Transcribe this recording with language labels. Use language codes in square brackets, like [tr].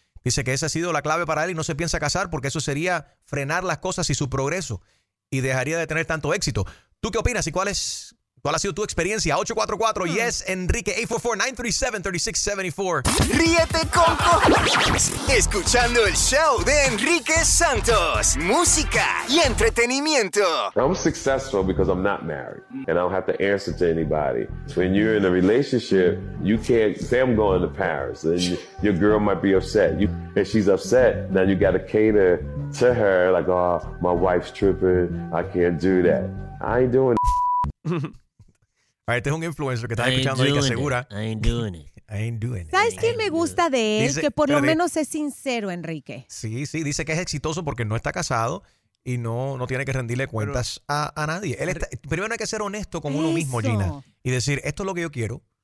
[es] Dice que esa ha sido la clave para él y no se piensa casar porque eso sería frenar las cosas y su progreso y dejaría de tener tanto éxito. ¿Tú qué opinas y cuál ha sido tu experiencia? [en] 844 Yes, Enrique, 844-937-3674. [es] Ríete con cojones escuchando el show de Enrique Santos. Música y entretenimiento. [en] I'm successful because I'm not married and I don't have to answer to anybody. When you're in a relationship, you can't say I'm going to Paris and your girl might be upset. If she's upset, then you gotta cater to her like, oh, my wife's tripping. I can't do that. I ain't doing that. [es] Este es un influencer que está escuchando y que asegura. [en] I ain't doing it. [es] ¿Sabes qué me gusta de él? Dice, que por lo menos es sincero, Enrique. Sí, sí. Dice que es exitoso porque no está casado y no tiene que rendirle cuentas a nadie. Él está, primero hay que ser honesto con uno mismo, Gina. Y decir, esto es lo que yo quiero.